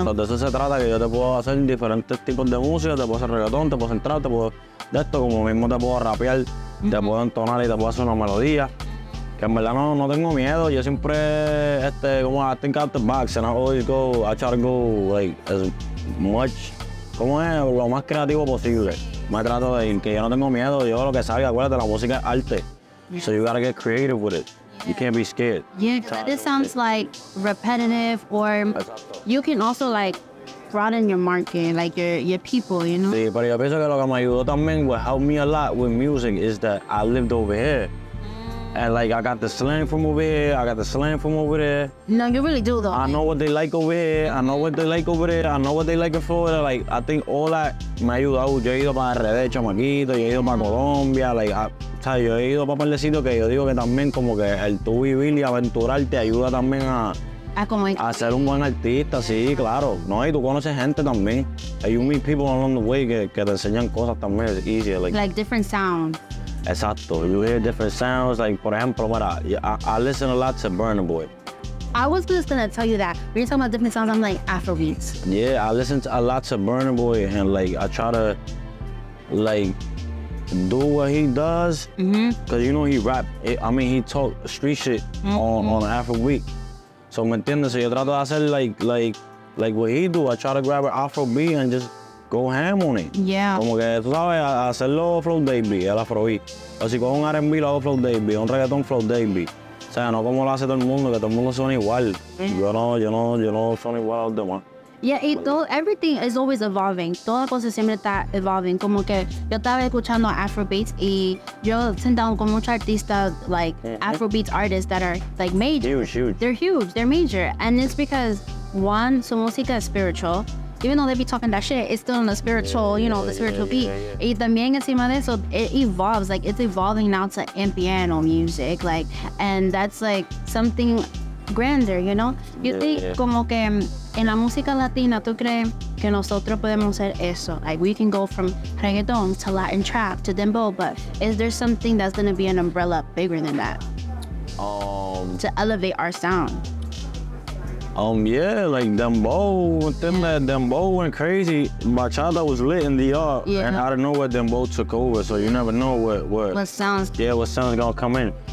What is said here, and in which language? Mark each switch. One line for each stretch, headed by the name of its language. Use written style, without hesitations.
Spanish: Entonces, de eso se trata, que yo te puedo hacer diferentes tipos de música, te puedo hacer reggaetón, te puedo centrar, te puedo de esto, como mismo te puedo rapear, te puedo entonar y te puedo hacer una melodía. Que en verdad no tengo miedo, yo siempre, como
English: I think out the box, and I always go, I try to go, like, as much,
Spanish: como es, lo más creativo posible. Me trato de ir, que yo no tengo miedo, yo lo que salga, acuérdate, la música es arte.
English: Yeah. So you gotta get creative with it. Yeah. You can't be scared. Yeah, this sounds like repetitive, or you can also, like, broaden your market, like your people, you know?
Spanish: Sí, pero yo pienso que lo que me ayudó también,
English: what helped me a lot with music is that I lived over here. And, like, I got the slang from over here, I got the slang from over there. No, you really do, though. I know what they like over here, I know what they like over there, I know what they like in Florida. Like, I think all that
Spanish: me ayudó. Yo he ido para RD, chamaquito, yo he ido para Colombia, like, yo he ido para Pablecito, que yo digo que también, como que el tú vivir y aventurar te ayuda también a ser un buen artista, sí, claro. No, y tú conoces gente también.
English: And you meet people along the way
Spanish: que te enseñan cosas también, es easy.
English: Like different sounds. Exacto. You hear different sounds, like,
Spanish: por ejemplo,
English: I listen a lot to Burna Boy. I was just gonna tell you that. When you're talking about different sounds, I'm like, Afrobeats. Yeah, I listen a lot to Burna Boy, and, like, I try to, like, do what he does. Mm-hmm. Cause, you know, he rap. He talk street shit on Afrobeat. So,
Spanish: ¿me entiendes?
English: So,
Spanish: yo trato de hacer,
English: like what he do. I try to grab an Afrobeat and just go ham on it. Yeah.
Spanish: Como que, tú sabes, hacerlo flow Dei V, el Afrobeat. O si con un R&B lo hago flow Dei V, un reggaeton flow Dei V. O sea, no como lo hace todo el mundo, que todo el mundo suena igual. Yo no suena igual a los demás.
English: Yeah,
Spanish: y todo,
English: everything is always evolving.
Spanish: Toda cosa siempre está evolving. Como que yo estaba escuchando Afrobeats y yo sent down con muchos artistas,
English: like, Afrobeats artists that are, like, major. Huge. They're huge, they're major. And it's because, one,
Spanish: su música es spiritual.
English: Even though they be talking that shit, it's still in the spiritual, beat. Yeah, yeah. So it evolves, like, it's evolving now to ambient music, like, and that's, like, something grander, you know?
Spanish: Como que en la música latina, ¿tú crees que nosotros podemos hacer eso?
English: Like, we can go from reggaeton to Latin trap to dembow, but is there something that's gonna be an umbrella bigger than that? To elevate our sound. Yeah, like dembow, dembow went crazy. Bachata was lit in the art, and I don't know where dembow took over, so you never know what sounds gonna come in.